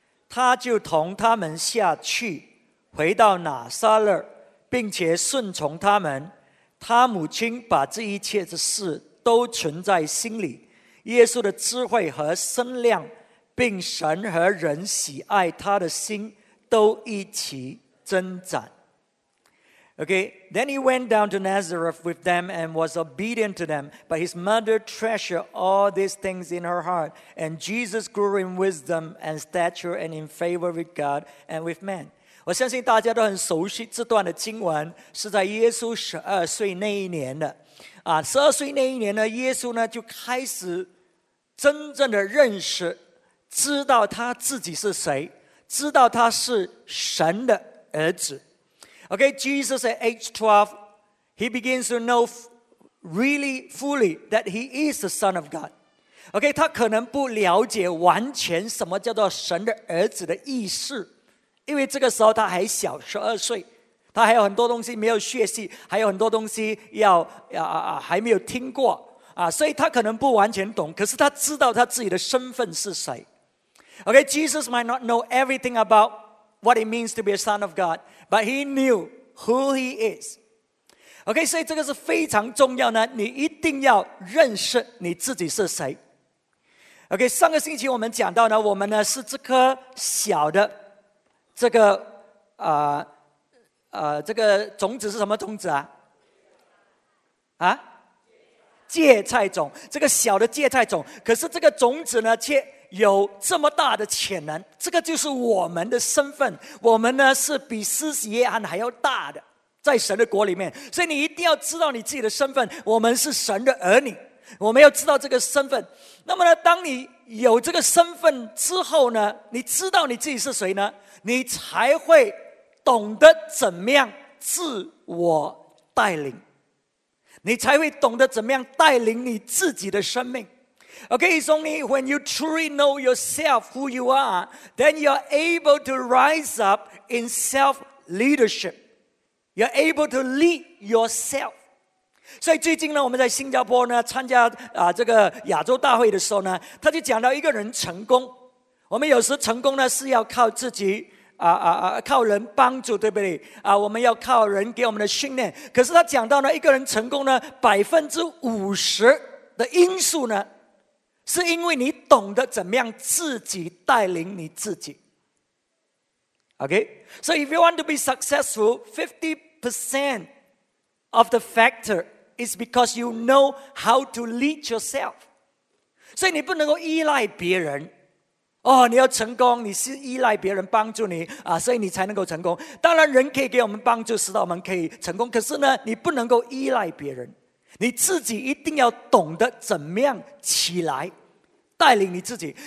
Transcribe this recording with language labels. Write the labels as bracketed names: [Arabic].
[Chinese] 他就同他们下去，回到拿撒勒，并且顺从他们。他母亲把这一切的事都存在心里，耶稣的智慧和身量，并神和人喜爱他的心都一起增长。 [English] Okay, then he went down to Nazareth with them and was obedient to them, but his mother treasured all these things in her heart, and Jesus grew in wisdom and stature and in favor with God and with men. [Chinese] 我相信大家都很熟悉这段的经文，是在耶稣十二岁那一年的。十二岁那一年呢，耶稣呢就开始真正的认识，知道他自己是谁，知道他是神的儿子。 [English] Okay, Jesus at age 12, he begins to know really fully that he is the Son of God. [Chinese] Okay, 他可能不了解完全什么叫做神的儿子的意思。因为这个时候他还小，十二岁，他还有很多东西没有学习，还有很多东西还没有听过所以他可能不完全懂，可是他知道他自己的身份是谁。 [English] Okay, Jesus might not know everything about what it means to be a son of God, but he knew who he is. [Chinese] Okay, 所以这个是非常重要的，你一定要认识你自己是谁。 Okay, 上个星期我们讲到呢，我们呢是这颗小的这个这个种子是什么种子啊？啊，芥菜种，这个小的芥菜种。可是这个种子呢，却有这么大的潜能。这个就是我们的身份，我们呢是比施洗约翰还要大的，在神的国里面。所以你一定要知道你自己的身份，我们是神的儿女，我们要知道这个身份。那么呢，当你有这个身份之后呢，你知道你自己是谁呢？你才会懂得怎么样自我带领，你才会懂得怎么样带领你自己的生命。 [English] Okay, it's only when you truly know yourself who you are, then you're able to rise up in self-leadership. You're able to lead yourself. [Chinese] 所以最近呢，我们在新加坡呢参加这个亚洲大会的时候呢，他就讲到一个人成功，我们有时成功呢是要靠自己靠人帮助，对不对我们要靠人给我们的训练。可是他讲到呢，一个人成功呢，50%的因素呢，是因为你懂得怎么样自己带领你自己。 [English] OK, so if you want to be successful, 50% of the factor is because you know how to lead yourself. [Chinese] 所以你不能够依赖别人。你要成功，你是依赖别人帮助你所以你才能够成功。当然人可以给我们帮助，使到我们可以成功，可是呢你不能够依赖别人，你自己一定要懂得怎么样起来带领你自己。